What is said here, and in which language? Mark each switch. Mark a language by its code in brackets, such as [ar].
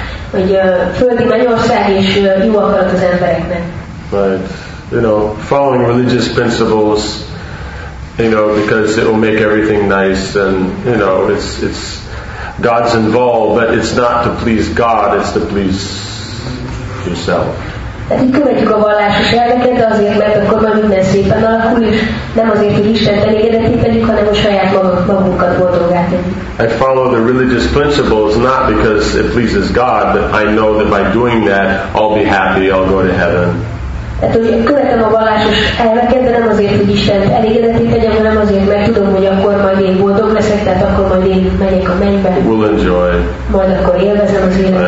[hu] Hogy földi mennyország és jó akarat az embereknek. [en] Right. You know, following religious principles, you know, because it will make everything nice and, you know, it's God's involved, but it's not to please God, it's to please yourself. [hu] Tehát így követjük a vallásos elveket, de azért, mert akkor már minden szépen alakul, és nem azért, hogy Istent elégedetítenünk, hanem a saját magunkat boldoggá tegyük. [en] I follow the religious principles not because it pleases God, but I know that by doing that, I'll be happy, I'll go to heaven. [hu] Tehát, hogy követem a vallásos elveket, de nem azért, hogy Istent elégedetítenem, hanem azért, mert tudom, hogy akkor majd én boldog leszek, tehát akkor majd én megyek a mennybe. [en] We'll enjoy. [hu] Majd akkor élvezem az életet.